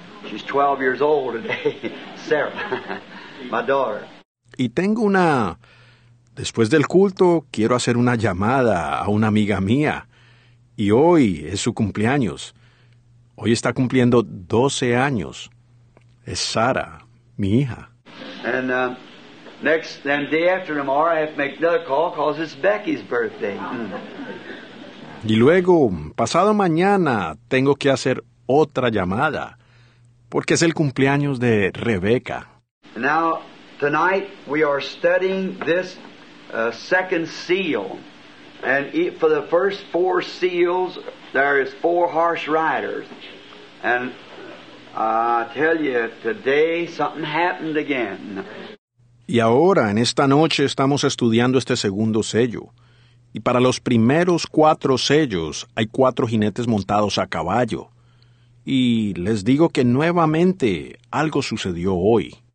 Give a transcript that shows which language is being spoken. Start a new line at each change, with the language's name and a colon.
English: She's 12 years old today, Sarah, my daughter.
Spanish: Y tengo una... Después del culto, quiero hacer una llamada a una amiga mía. Y hoy es su cumpleaños. Hoy está cumpliendo 12 años. Es Sarah, mi hija.
English: And, Then day after tomorrow, I have to make another call because it's Becky's birthday.
Spanish: Y luego, pasado mañana, tengo que hacer otra llamada porque es el cumpleaños de Rebecca.
English: Now, tonight, we are studying this second seal. And for the first four seals, there is four harsh riders. And I tell you, today something happened again.
Spanish: Y ahora, en esta noche, estamos estudiando este segundo sello. Y para los primeros cuatro sellos, hay cuatro jinetes montados a caballo. Y les digo que nuevamente, algo sucedió hoy.